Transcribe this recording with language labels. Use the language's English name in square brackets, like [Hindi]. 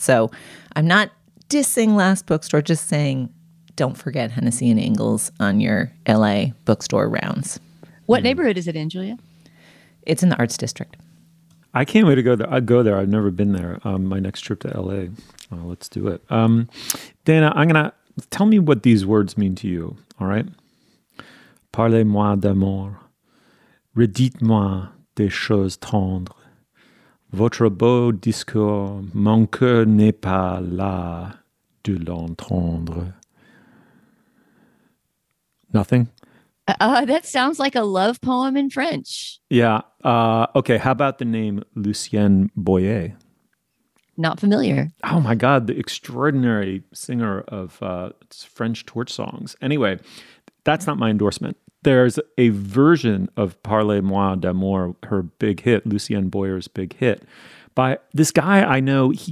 [English] So I'm not dissing Last Bookstore, just saying don't forget Hennessy and Ingalls on your LA bookstore rounds. What neighborhood is it in, Julia? It's in the Arts District. I can't wait to go there. I've never been there. My next trip to LA. Well, let's do it. Dana, I'm going to tell me what these words mean to you. All right. Parlez-moi d'amour. [French] Redites-moi des choses tendres. Votre beau discours, mon cœur n'est pas là de l'entendre. [English] Nothing? That sounds like a love poem in French. Yeah. Okay. How about the name Lucien Boyer? Not familiar. Oh my God. The extraordinary singer of French torch songs. Anyway, that's not my endorsement. There's a version of Parlez-moi d'amour, her big hit, Lucien Boyer's big hit, by this guy I know.